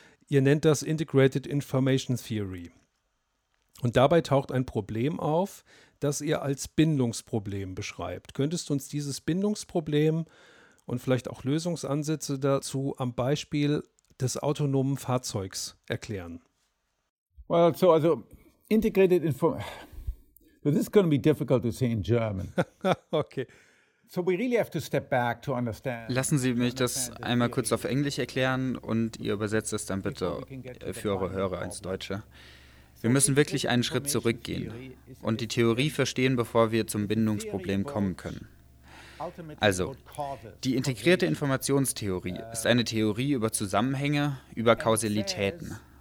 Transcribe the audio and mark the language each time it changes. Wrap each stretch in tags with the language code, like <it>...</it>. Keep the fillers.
<de>Ihr nennt das Integrated Information Theory. Und dabei taucht ein Problem auf, das ihr als Bindungsproblem beschreibt. Könntest du uns dieses Bindungsproblem und vielleicht auch Lösungsansätze dazu am Beispiel des autonomen Fahrzeugs erklären?</de> <en>Well, so also integrated info. So this is going to be difficult to say in German. okay. So we really have to step back to understand.</en> <de>Lassen Sie mich das einmal kurz auf Englisch erklären und ihr übersetzt es dann bitte für eure Hörer ins Deutsche. Wir müssen wirklich einen Schritt zurückgehen und die Theorie verstehen, bevor wir zum Bindungsproblem kommen können. Also, die integrierte Informationstheorie ist eine Theorie über Zusammenhänge, über Kausalitäten.</de>